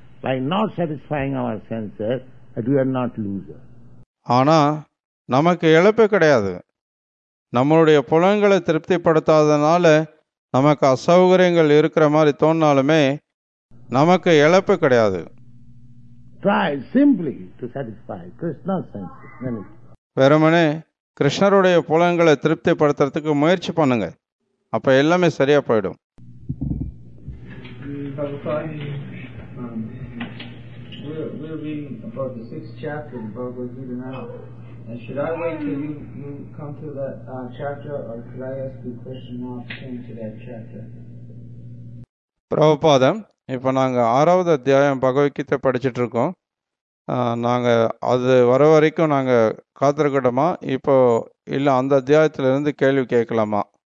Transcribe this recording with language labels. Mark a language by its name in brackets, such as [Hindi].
[English] By not satisfying our senses, that we are not losers. [Tamil] ஆனா நமக்கு இழப்பு கிடையாது. நம்மளுடைய புலன்களை திருப்திப்படுத்தாதனால நமக்கு அசௌகரியங்கள் இருக்கிற மாதிரி தோணினாலுமே நமக்கு இழப்பு கிடையாது. [English] Try simply to satisfy Krishna's senses. [Tamil] வெறுமனே கிருஷ்ணருடைய புலன்களை திருப்திப்படுத்துறதுக்கு முயற்சி பண்ணுங்க, அப்ப எல்லாமே சரியா போயிடும். [English] We're reading about the sixth chapter in Bhagavad Gita now. And should I wait till you come to that chapter, or could I ask you a question now pertaining to that chapter? [Tamil] Prabhupadam, இப்ப நாங்க ஆறாவது அத்தியாயம் பகவத்கீதை படிச்சுட்டு இருக்கோம். நாங்க அது வர வரைக்கும் நாங்க காத்திருக்கட்டுமா, இப்போ இல்ல அந்த அத்தியாயத்துல இருந்து கேள்வி கேட்கலாமா?